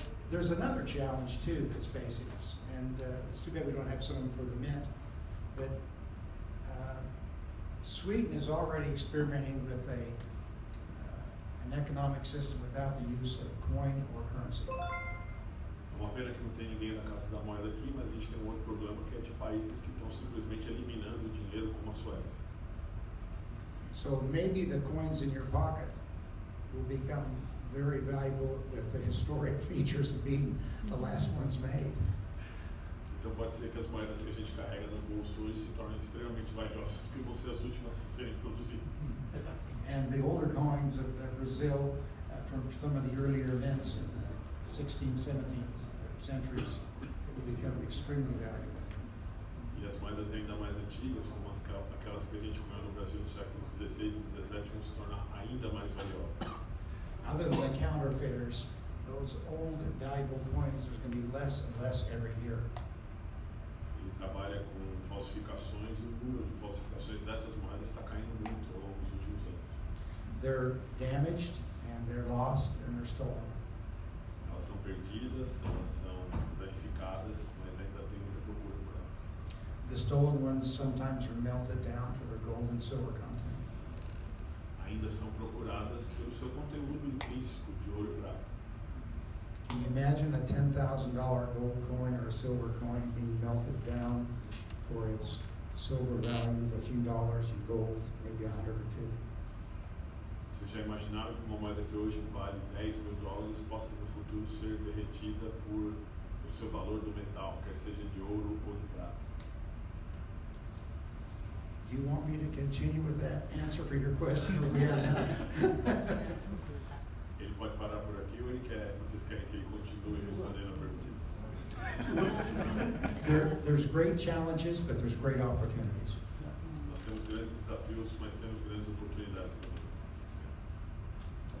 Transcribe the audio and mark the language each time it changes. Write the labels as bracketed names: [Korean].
[English] There's another challenge too that's facing us, and it's too bad we don't have someone for the Mint, but Sweden is already experimenting with an economic system without the use of coin or currency. [Portuguese] É uma pena que não tem ninguém na Casa da Moeda aqui, mas a gente tem um outro problema que é de países que estão simplesmente eliminando o dinheiro, como a Suécia. [English] So maybe the coins in your pocket will become very valuable with the historic features of being the last ones made. [Portuguese] Então pode ser que as moedas que a gente carrega no bolso hoje se tornem extremamente valiosas porque vão ser as últimas a serem produzidas. [English] And the older coins of Brazil from some of the earlier events in the 16th, 17th centuries will become extremely valuable. [Portuguese] E as moedas ainda mais antigas, como aquelas que a gente cunhou no Brasil nos séculos 16 e 17, vão se tornar ainda mais valiosas. [English] Other than the counterfeiters, those old and valuable coins, there's going to be less and less every year. [Portuguese] Ele trabalha com falsificações, e o número de falsificações dessas moedas está caindo muito ao longo dos últimos anos. [English] They're damaged, and they're lost, and they're stolen. [Portuguese] Elas são perdidas, elas são danificadas, mas ainda tem muita procura por elas. [English] The stolen ones sometimes are melted down for their gold and silver content. [Portuguese] Ainda são procuradas pelo seu conteúdo intrínseco de ouro e prata. [English] Can you imagine a $10,000 gold coin or a silver coin being melted down for its silver value of a few dollars in gold, maybe a hundred or two? [Portuguese] Vocês já imaginaram que uma moeda que hoje vale 10 mil dólares possa no futuro ser derretida por o seu valor do metal, quer seja de ouro ou de prata? [English] Do you want me to continue with that answer for your question or we have enough? [Portuguese] Ele pode parar por aqui ou ele quer, vocês querem que ele continue respondendo a pergunta? [English] There's great challenges, but there's great opportunities. [Portuguese] Nós temos grandes desafios, mas temos grandes oportunidades também.